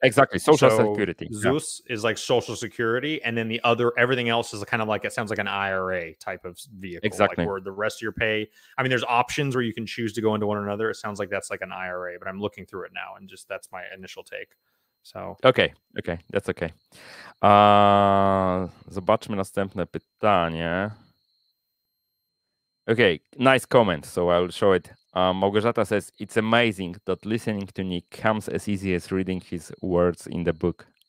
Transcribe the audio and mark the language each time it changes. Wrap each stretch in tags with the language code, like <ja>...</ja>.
<en>Exactly, Social Security. ZUS is like Social Security, and then the other, everything else is kind of like, it sounds like an IRA type of vehicle. Exactly. Like where the rest of your pay, I mean, there's options where you can choose to go into one or another. It sounds like that's like an IRA, but I'm looking through it now, and just that's my initial take. So. Okay, that's okay.</en> <pl>Zobaczmy następne pytanie.</pl> <en>Okay, nice comment, so I'll show it. Małgorzata says, it's amazing that listening to Nick comes as easy as reading his words in the book.</en>